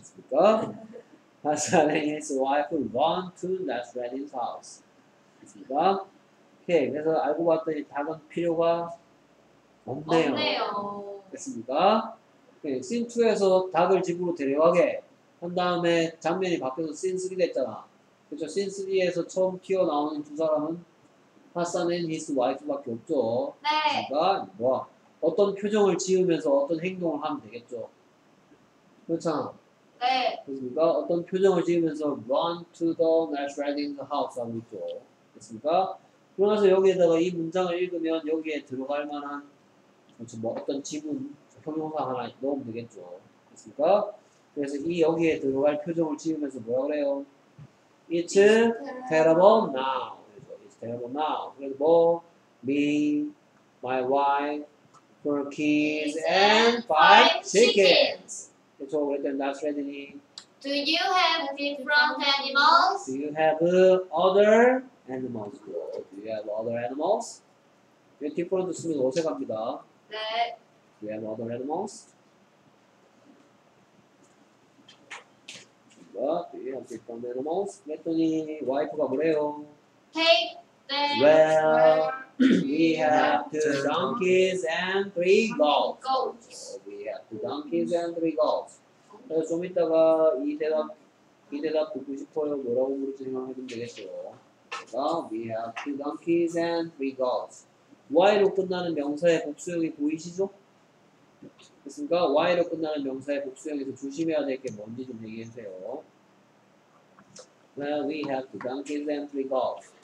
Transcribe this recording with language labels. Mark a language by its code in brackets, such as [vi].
[en] 그러니까 that's right in his wife run to that's right in the house. [ko] 그니까 오케이. 그래서 알고 봤더니 닭은 필요가 없네요. 됐습니까? 씬2에서 닭을 집으로 데려가게 한 다음에 장면이 바뀌어서 씬3 됐잖아. 그쵸? 씬3에서 처음 튀어나오는 두 사람은 하산 앤 히스 와이프밖에 없죠. 네. 그니까 뭐 어떤 표정을 지으면서 어떤 행동을 하면 되겠죠. 그렇잖아. 네. 됐습니까? 어떤 표정을 지으면서 [en] run to the nice riding house [ko] 하고 있죠. 됐습니까? 그러면서 여기에다가 이 문장을 읽으면 여기에 들어갈 만한 그렇죠, 뭐 어떤 지문, 형용사 하나 넣으면 되겠죠. 됐습니까? 그래서 이 여기에 들어갈 표정을 지으면서 뭐라 그래요? [en] It's terrible now. It's terrible now. [ko] 그래서 뭐? [en] Me, my wife, four kids, and five chickens. [ko] 그렇죠. 그랬더니 나 스레드니 [en] Do you have different animals? Do you have other animals? Do you have other animals? [ko] 이 different 쓰면 어색합니다. 네. [en] Do you have other animals? What? Do you have different animals? [ko] 그랬더니 와이프가 뭐래요? [en] Take them. Well, we have two donkeys and three goats. We have two donkeys and three goats. [ko] 그래서 좀 이따가 이 대답 듣고 싶어요. 뭐라고 물을지 생각하면 되겠어요. [en] 그러니까 we have two donkeys and three goats. [ko] Y로 끝나는 명사의 복수형이 보이시죠? 됐습니까? Y로 끝나는 명사의 복수형에서 조심해야 될 게 뭔지 좀 얘기해주세요. [en] Well, we have two donkeys and three goats.